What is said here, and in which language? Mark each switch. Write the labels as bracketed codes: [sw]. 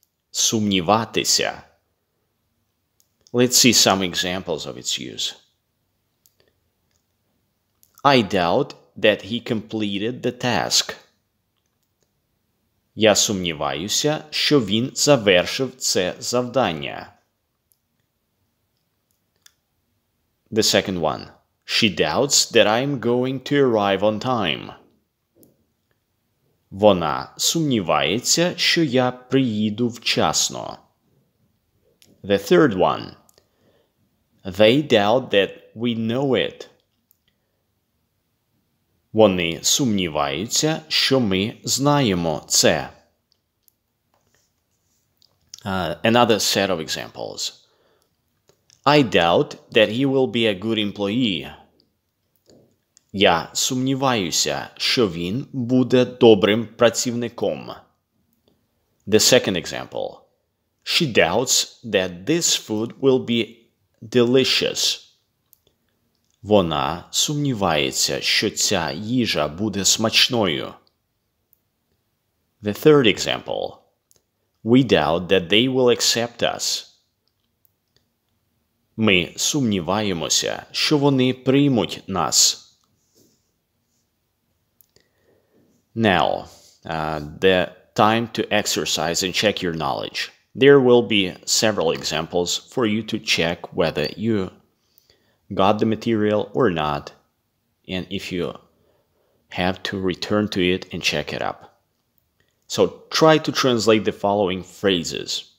[en] Сумніватися. Let's see some examples of its use. I doubt that he completed the task. [uk] Я сумніваюся, що він завершив це завдання. [en] The second one. She doubts that I'm going to arrive on time. [uk] Вона сумнівається, що я приїду вчасно. [en] The third one. They doubt that we know it. [uk] Вони сумніваються, що ми знаємо це. [en] Another set of examples. I doubt that he will be a good employee. [uk] Я сумніваюся, що він буде добрим працівником. [en] The second example. She doubts that this food will be delicious. [uk] Вона сумнівається, що ця їжа буде смачною. [en] The third example. We doubt that they will accept us. [uk] Ми сумніваємося, що вони приймуть нас. [en] Now, the time to exercise and check your knowledge. There will be several examples for you to check whether you got the material or not, and if you have to return to it and check it up. So try to translate the following phrases.